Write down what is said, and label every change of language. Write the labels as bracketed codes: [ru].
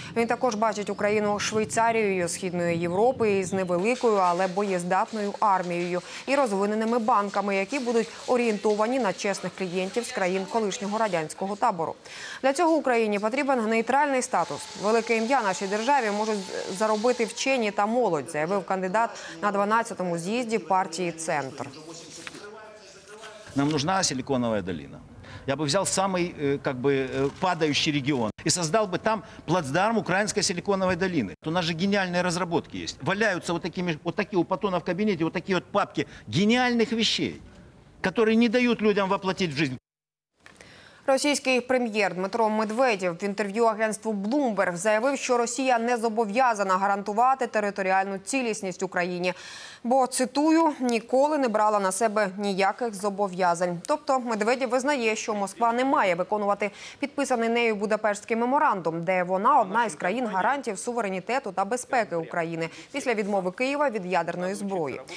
[uk] Він також бачить Україну Швейцарією Східної Європи з невеликою, але боєздатною армією і розвиненими банками, які будуть орієнтовані на чесних клієнтів з країн колишнього радянського табору. Для цього Україні потрібен нейтральний статус. Велике ім'я нашій державі можуть заробити вчені та молодь, заявив кандидат на 12-му з'їзді партії «Центр». [ru] Нам нужна силиконова долина. Я бы взял самый как бы падающий регион и создал бы там плацдарм украинской силиконовой долины. У нас же гениальные разработки есть. Валяются вот такими вот такие у Патона в кабинете, вот такие вот папки гениальных вещей, которые не дают людям воплотить в жизнь. [uk] Російський прем'єр Дмитро Медведєв в інтерв'ю агентству Bloomberg заявив, що Росія не зобов'язана гарантувати територіальну цілісність Україні, бо, цитую, ніколи не брала на себе ніяких зобов'язань. Тобто Медведєв визнає, що Москва не має виконувати підписаний нею Будапештський меморандум, де вона одна із країн-гарантів суверенітету та безпеки України після відмови Києва від ядерної зброї.